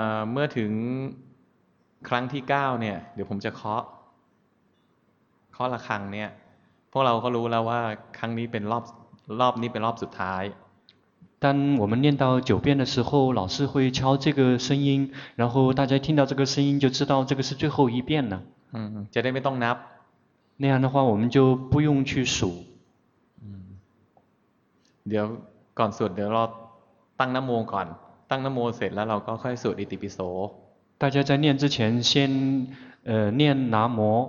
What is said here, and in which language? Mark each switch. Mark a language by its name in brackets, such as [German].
[Thai] เมื่อถึงครั้งที่9เนี่ยเดี๋ยวผมจะเคาะระฆังเนี่ยพวกเราก็รู้แล้วว่าครั้งนี้เป็นรอบนี้เป็นรอบสุดท้าย [Chinese] 当我们念到九遍的时候老师会敲这个声音然后大家听到这个声音就知道这个是最后一遍了 [Thai] จะได้ไม่ต้องนับ [Chinese] 那样的话我们就不用去数 [Thai] เดี๋ยวก่อนสวดเดี๋ยวเราตั้งนโมก่อนตั้งนโมเสร็จแล้วเราก็ค่อยสวดอิติปิโส [Chinese] 大家在念之前先念南无